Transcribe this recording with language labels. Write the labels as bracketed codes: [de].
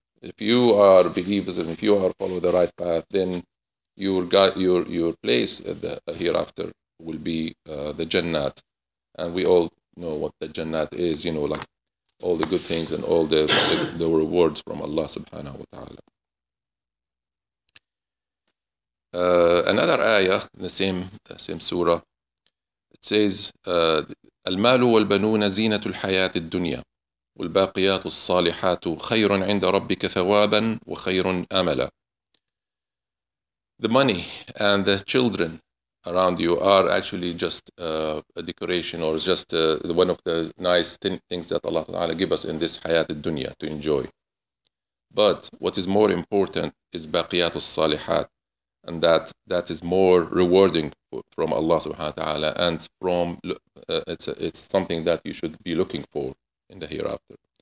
[en] If you are believers and if you are follow the right path, then your place hereafter will be the Jannat. And we all know what the Jannat is, you know, like all the good things and all the rewards from Allah subhanahu wa ta'ala. Another ayah in the same surah. It says, [ar] المال والبنون زينة الحياة الدنيا والباقيات الصالحات خير عند ربك ثوابا وخير أملا. [en] The money and the children around you are actually just a decoration, or just one of the nice things that Allah Ta'ala give us in this hayat al-dunya to enjoy. But what is more important is baqiyat al-salihat, and that is more rewarding from Allah Subhanahu wa Ta'ala, and from it's something that you should be looking for in the hereafter.